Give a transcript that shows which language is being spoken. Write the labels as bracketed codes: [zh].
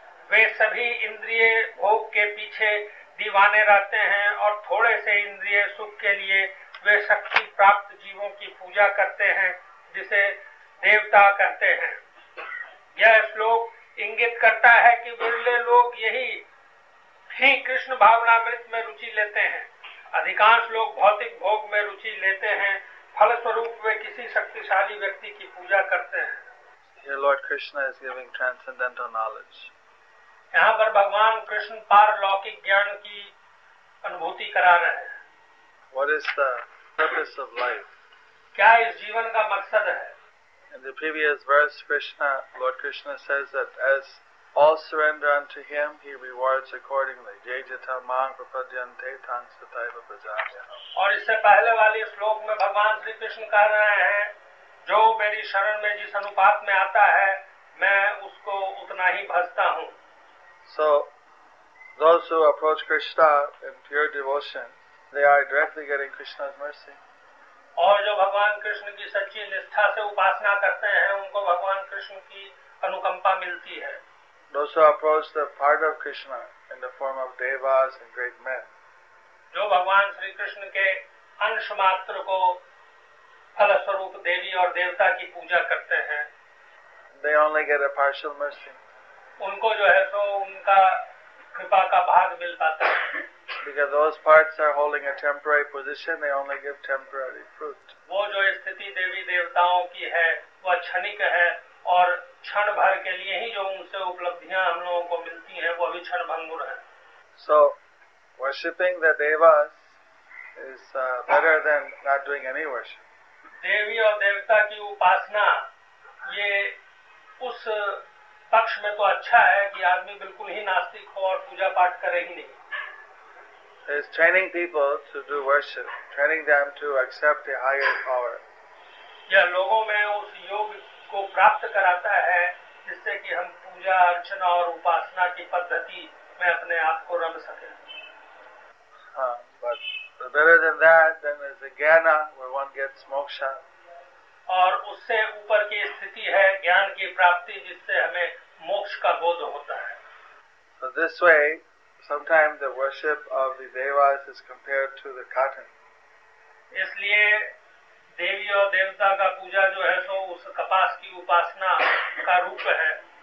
[hi] वे सभी इंद्रिय भोग के पीछे दीवाने रहते हैं और थोड़े से इंद्रिय सुख के लिए वे शक्ति प्राप्त जीवों की पूजा करते हैं, जिसे देवता कहते हैं। यह श्लोक इंगित करता है कि विरले लोग यही ही कृष्ण भावनामृत में रुचि लेते हैं। अधिकांश लोग भौतिक भोग में रुचि लेते हैं, फलस्वरूप वे किसी शक्तिशाली व्यक्ति की पूजा करते हैं। [en] Here Lord Krishna is giving transcendental knowledge. [hi] यहाँ पर भगवान कृष्ण पारलौकिक ज्ञान की अनुभूति करा रहे हैं। [en] What is the purpose of life? [hi] क्या इस जीवन का मकसद है? [en] In the previous verse, Lord Krishna says that as all surrender unto Him, He rewards accordingly. [sa] Jayjata mang prapadyante tang sataiva bhajami. [hi] और इससे पहले वाले श्लोक में भगवान श्री कृष्ण कह रहे हैं, जो मेरी शरण में जिस अनुपात में आता है, मैं उसको उतना ही भजता हूँ। [en] So, those who approach Krishna in pure devotion, they are directly getting Krishna's mercy. [hi] और जो भगवान कृष्ण की सच्ची निष्ठा से उपासना करते हैं, उनको भगवान कृष्ण की अनुकंपा मिलती है। [en] Those who approach the part of Krishna in the form of devas and great men, [hi] जो भगवान श्री कृष्ण के अंश मात्र को फलस्वरूप देवी और देवता की पूजा करते हैं, [en] they only get a partial mercy. [hi] उनको जो है सो उनका कृपा का भाग मिल पाता है। [en] Because those parts are holding a temporary position, they only give temporary fruit. [hi] वो जो स्थिति देवी देवताओं की है वह क्षणिक है, और क्षण भर के लिए ही जो उनसे उपलब्धियां हम लोगों को मिलती हैं वो भी क्षण भंगुर है। [en] So, worshipping the devas is better than not doing any worship. [hi] देवी और देवता की उपासना ये उस पक्ष में तो अच्छा है कि आदमी बिल्कुल ही नास्तिक हो और पूजा पाठ करे ही नहीं। [en] Is training people to do worship, training them to accept a higher power. [hi] Yeah, लोगों में उस योग को प्राप्त कराता है जिससे कि हम पूजा अर्चना और उपासना की पद्धति में अपने आप को रम सके। [en] But better than that, then is the jnana where one gets moksha. [hi] और उससे ऊपर की स्थिति है ज्ञान की प्राप्ति जिससे हमें मोक्ष का बोध होता है। [en] So this way, sometimes the worship of the devas is compared to the cotton. [hi] इसलिए देवी और देवता का पूजा जो है सो उस कपास की उपासना का रूप है।